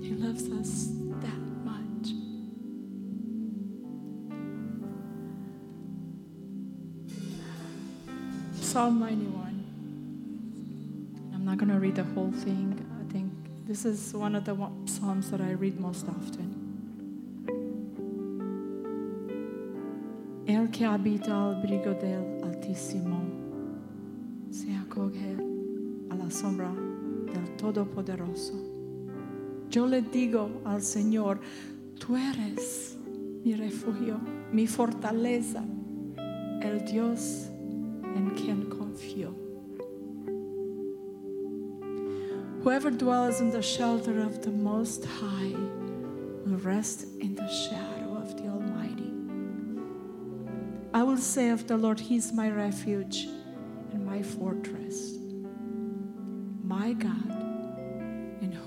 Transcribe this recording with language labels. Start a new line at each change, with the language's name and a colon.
English: He loves us that much. Psalm 91. I'm not going to read the whole thing. I think this is one of the Psalms that I read most often.
Spanish: El que habita al abrigo del Altísimo se acoge a la sombra del Todopoderoso. Yo le digo al Señor, tú eres mi refugio, mi fortaleza, el Dios en quien confío.
English: Whoever dwells in the shelter of the Most High will rest in the shadow of the Almighty. I will say of the Lord, He is my refuge and my fortress, my God, in whom